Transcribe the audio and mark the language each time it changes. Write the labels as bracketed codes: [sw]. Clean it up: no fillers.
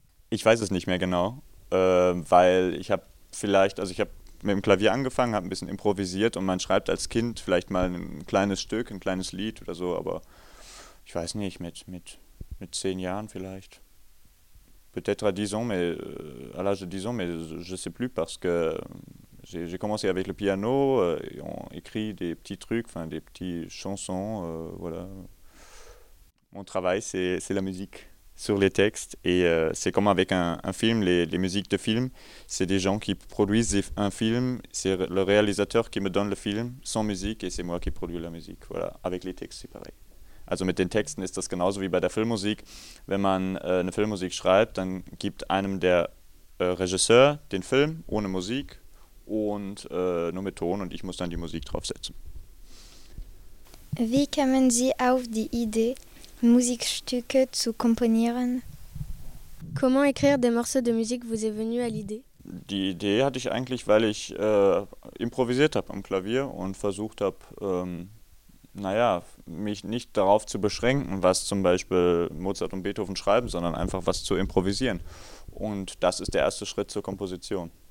[de] Ich weiß es nicht mehr genau, weil ich habe vielleicht, also ich habe mit dem Klavier angefangen, habe ein bisschen improvisiert und man schreibt als Kind vielleicht mal ein kleines Stück, ein kleines Lied oder so, aber ich weiß nicht, mit 10 Jahren vielleicht. [fr] Peut-être à l'âge de 10 ans, mais je sais plus parce que j'ai commencé avec le piano, on écrit des petits trucs, des petites chansons, voilà. Mon travail, c'est la musique sur les textes et c'est comme avec un film, les musiques de film, c'est des gens qui produisent un film, c'est le réalisateur qui me donne le film sans musique et c'est moi qui produis la musique, voilà, avec les textes, c'est pareil. [de] Also mit den Texten ist das genauso wie bei der Filmmusik. Wenn man eine Filmmusik schreibt, dann gibt einem der Regisseur den Film ohne Musik und nur mit Ton und ich muss dann die Musik draufsetzen. Wie kamen Sie auf die Idee, Musikstücke zu komponieren? [fr] Comment écrire des morceaux de musique vous est venu à l'idée? [de] Die Idee hatte ich eigentlich, weil ich improvisiert habe am Klavier und versucht habe, mich nicht darauf zu beschränken, was zum Beispiel Mozart und Beethoven schreiben, sondern einfach was zu improvisieren. Und das ist der erste Schritt zur Komposition.